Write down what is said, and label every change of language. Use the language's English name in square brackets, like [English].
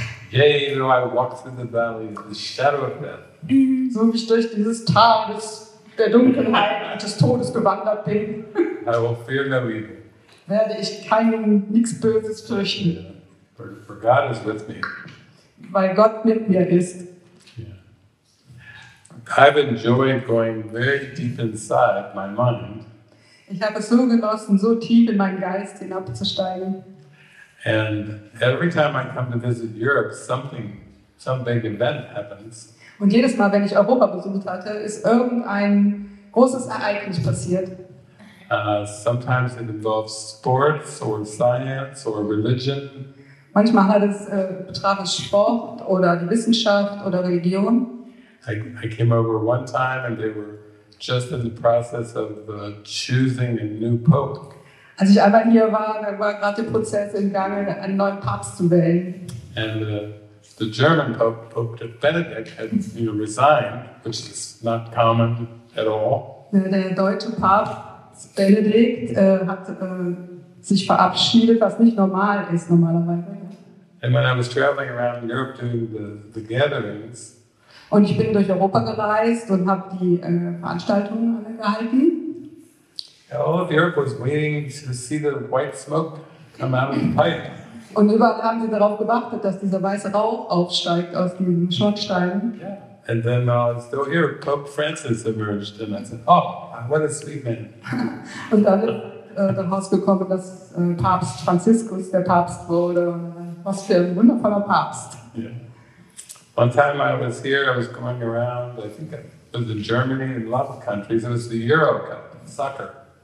[English] Yeah, you know, I walk through the valley of the shadow of death. [German] So wie ich durch dieses Tal der Dunkelheit des Todes gewandert bin. [English] I will fear no evil. [German] Werde ich keinem nichts Böses fürchten. [English] For God is with me. [German] Weil Gott mit mir ist. [English] Yeah. I've enjoyed going very deep inside my mind. [German] Ich habe es so genossen, so tief in meinen Geist hinabzusteigen. [English] And every time I come to visit Europe, some big event happens. [German] Und jedes Mal, wenn ich Europa besucht hatte, ist irgendein großes Ereignis passiert. [English] Sometimes it involves sports or science or religion. [German] Manchmal hat es betraf es Sport oder die Wissenschaft oder Religion. [English] I came over one time and they were just in the process of choosing a new pope. [German] Als ich einmal hier war, dann war gerade der Prozess im Gange, einen neuen Papst zu wählen. [English] And the German pope, Pope Benedict, had resigned, which is not common at all. [German] Der deutsche Papst Benedikt hat sich verabschiedet, was nicht normal ist normalerweise. [English] And when I was traveling around Europe doing the gatherings, [German] und ich bin durch Europa gereist und habe die Veranstaltungen alle gehalten. [English] All of Europe was waiting to see the white smoke come out of the pipe. [German] Und überall haben sie darauf gewartet, dass dieser weiße Rauch aufsteigt aus diesen Schornsteinen. [English] Yeah. And then still here, Pope Francis emerged, and I said, "Oh, what a sweet man!" [German] Und dann ist daraus gekommen, dass Papst Franziskus der Papst wurde. Was für ein wundervoller Papst. [English] Yeah. One time I was here, I was going around, I think it was in Germany and a lot of countries, it was the Euro Cup, soccer.